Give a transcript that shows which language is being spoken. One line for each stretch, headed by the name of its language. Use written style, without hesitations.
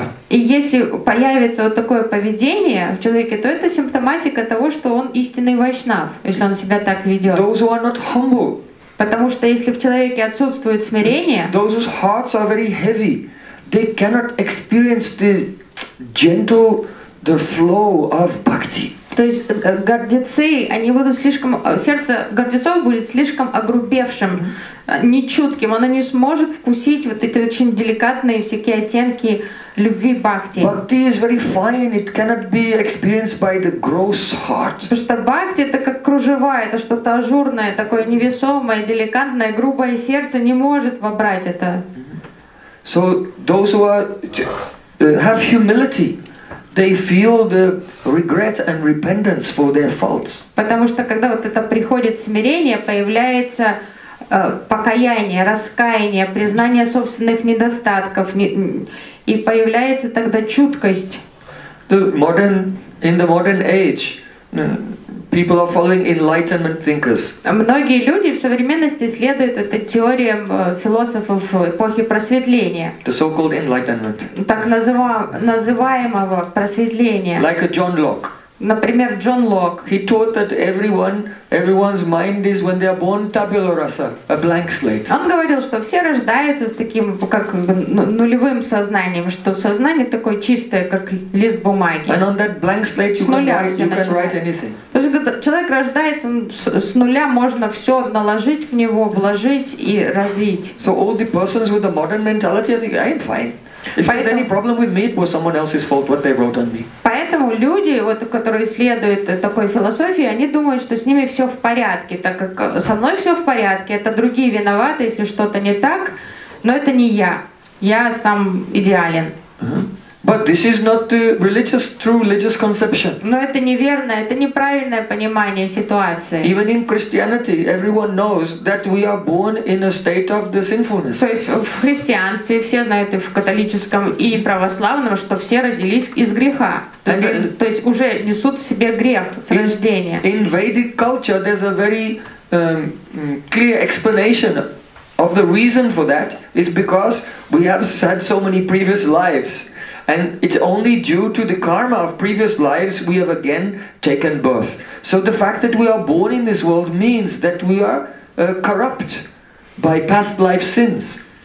Russian: И если появится вот такое поведение в человеке, то это симптоматика того, что он истинный вайшнав, если он себя так ведет.
English: Those who are not humble.
Russian: Потому что если в человеке отсутствует смирение,
English: those whose hearts are very heavy, they cannot experience the gentle, the flow of bhakti.
Russian: То есть гордецы, они будут слишком, сердце гордецов будет слишком огрубевшим, нечутким, оно не сможет вкусить вот эти очень деликатные всякие оттенки любви бхакти.
English: Bhakti is very fine, it cannot be experienced by the gross heart.
Russian: Потому что бхакти это как кружева, это что-то ажурное, такое невесомое, деликатное, грубое сердце не может вобрать это.
English: So those who are, have humility, they feel the regret and repentance for their faults.
Russian: Потому что когда вот это приходит смирение, появляется покаяние, раскаяние, признание собственных недостатков, и появляется тогда чуткость.
English: The modern, in the modern age, people are following enlightenment thinkers.
Russian: Многие люди в современности следуют этой теории философов эпохи просветления.
English: The so-called enlightenment.
Russian: Так называемого просветления.
English: Like a John Locke.
Russian: Например, Джон Лок.
English: He taught that everyone's mind is when they are born tabula rasa, a blank slate.
Russian: Он говорил, что все рождаются с таким как нулевым сознанием, что сознание такое чистое, как лист бумаги.
English: And on that blank slate you can write anything.
Russian: То есть когда человек рождается с нуля, можно все наложить в него, вложить и развить.
English: So all the persons with a modern mentality, I think I'm fine. If there's any problem with me, it was someone else's fault what they wrote on me.
Russian: Поэтому люди, вот, которые следуют такой философии, они думают, что с ними все в порядке, так как со мной все в порядке, это другие виноваты, если что-то не так, но это не я. Я сам идеален.
English: But this is not the religious, true religious conception.
Russian: Но это неверное, это неправильное понимание ситуации.
English: Even in Christianity, everyone knows that we are born in a state of the sinfulness.
Russian: То есть в христианстве все знают, и в католическом, и православном, что все родились из греха. То есть уже несут в себе грех с рождения.
English: In Vedic culture, there's a very clear explanation of the reason for that is because we have had so many previous lives. And it's only due to the karma of previous lives we have again taken birth. So the fact that we are born in this world means that we are corrupt by past life sins.